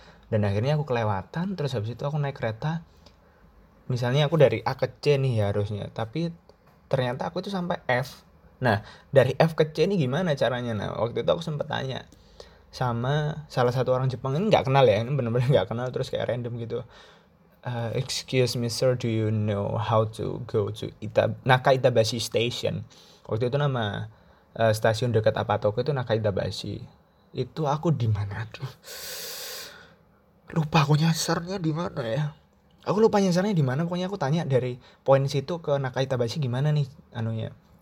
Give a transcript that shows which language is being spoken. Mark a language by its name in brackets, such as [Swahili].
[Indonesian] Dan akhirnya aku kelewatan, terus habis itu aku naik kereta. Misalnya aku dari A ke C nih ya harusnya, tapi ternyata aku itu sampai F. Nah, dari F ke C ini gimana caranya? Nah, waktu itu aku sempat tanya sama salah satu orang Jepang, ini nggak kenal ya, ini benar-benar nggak kenal, terus kayak random gitu. [English] Excuse me sir, do you know how to go to Naka Itabashi Station? [Indonesian] Waktu itu nama stasiun dekat Apatoku itu Naka Itabashi. Itu aku di mana tuh? Lupa aku nyasarnya di mana ya? Aku lupa nyasarnya di mana, pokoknya aku tanya dari poin situ ke Naka Itabashi gimana nih anunya.